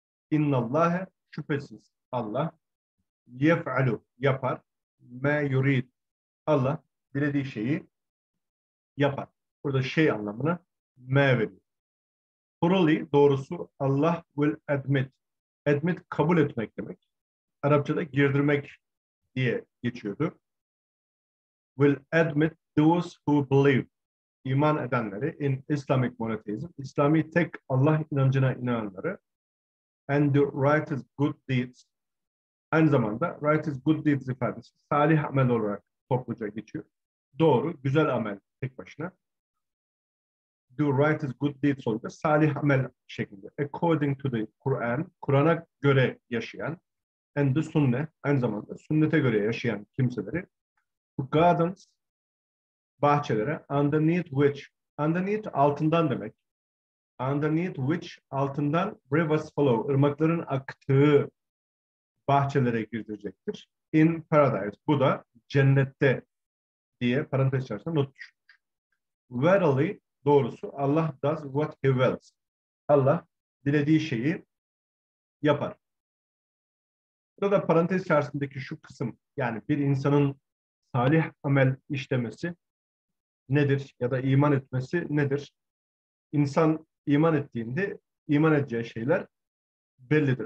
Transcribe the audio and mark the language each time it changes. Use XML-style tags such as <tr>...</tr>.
<tr>İnnallâhe şüphesiz Allah yef'alu yapar</tr> <ar>me yurid</ar> <tr>Allah dilediği şeyi yapar. Burada şey anlamına me veriyor.</tr> <en>Thoroughly</en> <tr>doğrusu</tr> <en>Allah will admit.</en> <tr>Admit kabul etmek demek. Arapçada girdirmek diye geçiyordu.</tr> <en>Will admit those who believe.</en> <tr>İman edenleri</tr> <en>in Islamic monotheism.</en> <tr>İslami tek Allah inancına inananları.</tr> <en>And the righteous good deeds.</en> <tr>Aynı zamanda</tr> <en>righteous good deeds</en> <tr>ifadesi salih amel olarak topluca geçiyor. Doğru, güzel amel tek başına.</tr> <en>Do right is good deeds</en> <tr>olunca salih amel şeklinde.</tr> <en>According to the Quran,</en> <tr>Kur'an'a göre yaşayan</tr> <en>and the</en> <tr>sünnet, aynı zamanda sünnete göre yaşayan kimseleri bu</tr> <en>gardens</en> <tr>bahçelere</tr> <en>underneath which underneath</en> <tr>altından demek</tr> <en>underneath which</en> <tr>altından</tr> <en>rivers flow,</en> <tr>ırmakların aktığı bahçelere girecektir.</tr> <en>In paradise.</en> <tr>Bu da cennette diye parantez içerisinde not düşmüş.</tr> <en>Verily</en> <tr>doğrusu</tr> <en>Allah does what he wills.</en> <tr>Allah dilediği şeyi yapar. Burada parantez içerisindeki şu kısım yani bir insanın salih amel işlemesi nedir ya da iman etmesi nedir? İnsan iman ettiğinde iman edeceği şeyler bellidir.</tr>